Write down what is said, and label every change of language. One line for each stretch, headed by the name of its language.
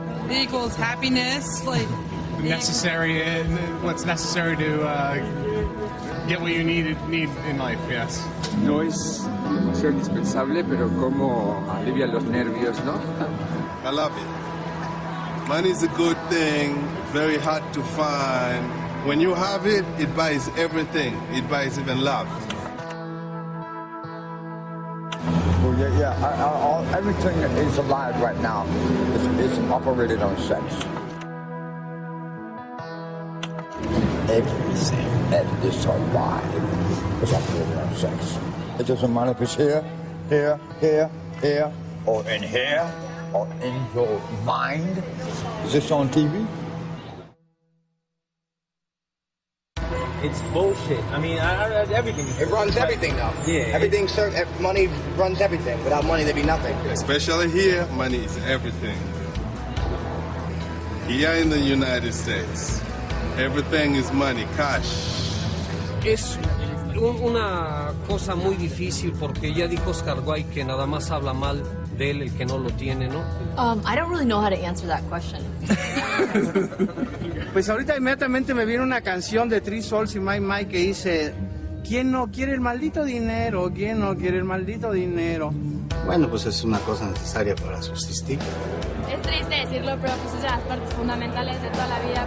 English: It equals happiness, like necessary, and what's necessary to get what you need in life. Yes.
Spanish: No es demasiado indispensable, pero como alivia los nervios, ¿no?
English: I love it. Money is a good thing, very hard to find. When you have it, it buys everything. It buys even love. Everything is alive right now. It's operated on sex. Everything that is alive is operated on sex. It doesn't matter if it's here, here, here, here, or in here, or in your mind. Is this on TV? It's bullshit. I mean, everything. It runs everything now. Yeah. Everything, money runs everything. Without money, there'd be nothing. Especially here, money is everything. Here in the United States, everything is money, cash.
Spanish: Es una cosa muy difícil porque ya dijo Oscar Wilde que nada más habla mal de él el que no lo tiene, ¿no?
English: I don't really know how to answer that question.
Spanish: Pues ahorita inmediatamente me viene una canción de Three Souls y My My que dice: ¿quién no quiere el maldito dinero? ¿Quién no quiere el maldito dinero? Bueno, pues es una cosa necesaria para subsistir. Es triste decirlo, pero pues es de las partes fundamentales de toda la vida.